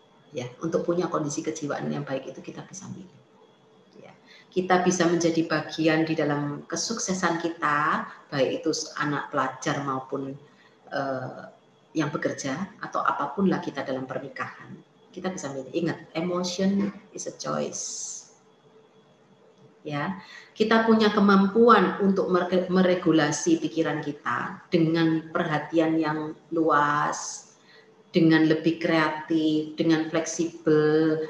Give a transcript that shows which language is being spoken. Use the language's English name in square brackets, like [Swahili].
[Indonesian] Ya, untuk punya kondisi kejiwaan yang baik itu kita bisa milih. Kita bisa menjadi bagian di dalam kesuksesan kita, baik itu anak pelajar maupun yang bekerja atau apapun lah kita dalam pernikahan. Kita bisa milih. [English] Ingat, emotion is a choice. [Indonesian] Ya, kita punya kemampuan untuk meregulasi pikiran kita dengan perhatian yang luas, dengan lebih kreatif, dengan fleksibel.